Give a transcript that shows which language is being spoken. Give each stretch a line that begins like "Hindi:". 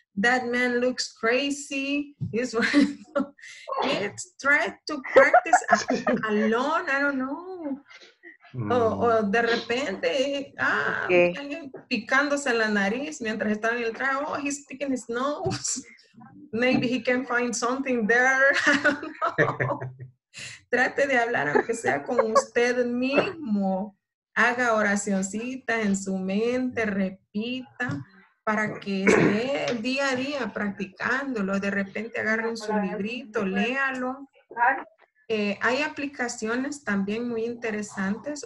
English: That man looks crazy. He's right. Try to practice alone. I don't know.
Spanish: O de repente, okay. Picándose la nariz mientras está en el trago.
English: Oh, he's picking his nose. Maybe he can find something there. I don't know.
Spanish: Trate de hablar aunque sea con usted mismo. Haga oracioncita en su mente, repita. para que esté día a día practicándolo. De repente agarren su librito, léalo. Hay aplicaciones también muy interesantes.